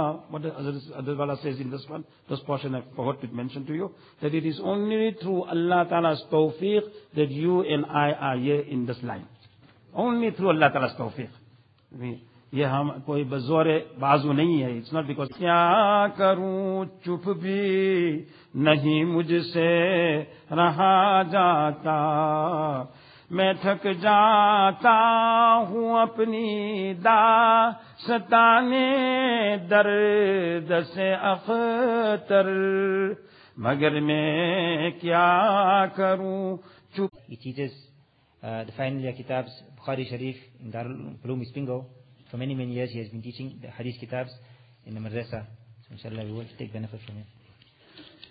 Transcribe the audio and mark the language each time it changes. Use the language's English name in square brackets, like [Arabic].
[English] حضرت والا says in this one, this portion I forgot to mention to you, that it is only through Allah Ta'ala's tawfiq that you and I are here in this line. Only through Allah Ta'ala's tawfiq. [Hindi] ये हम कोई बजोरे बाजू नहीं है. [English] it's not because [Hindi] क्या करूं चुप भी नहीं मुझसे रहा जाता. मैं थक जाता हूं अपनी दास्ताने दर्द से अख्तर. मगर मैं क्या करूं चुप. [English] He teaches the final kitabs Bukhari Sharif in Darul Uloom Isipingo. For many, many years, he has been teaching the Hadith Kitabs in the Madrasa. So, inshallah, we will take benefit from him.